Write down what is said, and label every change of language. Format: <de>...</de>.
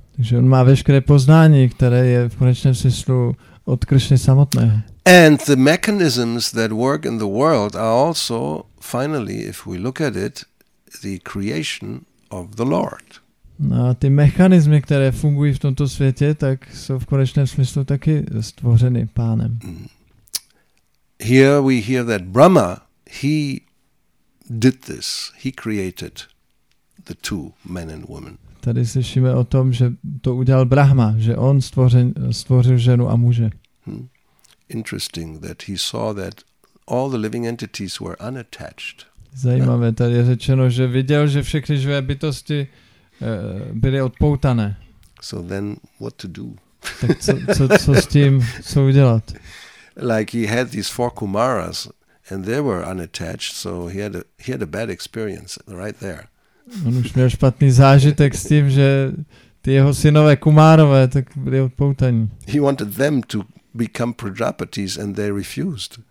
<cs>Takže on má veškeré poznání, které je v konečném smyslu od Krishny samotného.</cs> <en>And the mechanisms that work in the world are also, finally, if we look at it, the creation of the Lord.</en> <cs>No, ty mechanismy, které fungují v tomto světě, tak jsou v konečném smyslu taky stvořeny pánem.</cs> <en>Here we hear that Brahma, he did this, he created the two men and women.</en> <cs>Tady slyšíme o tom, že to udělal Brahma, že on stvořil ženu a muže.</cs> <en>Interesting that he saw that all the living entities were unattached.</en> <cs>Zajímavé, tady je řečeno, že viděl, že všechny živé bytosti byly odpoutané.</cs> <en>So then what to do?</en> <cs>Tak co s tím, co udělat?</cs> <en>Like he had these four kumaras and they were unattached, so he had a bad experience right there.</en> <cs>On už měl špatný zážitek s tím, že ty jeho synové kumárové tak byli odpoutaní.</cs> <en>He wanted them to become prajapatis and they refused.</en>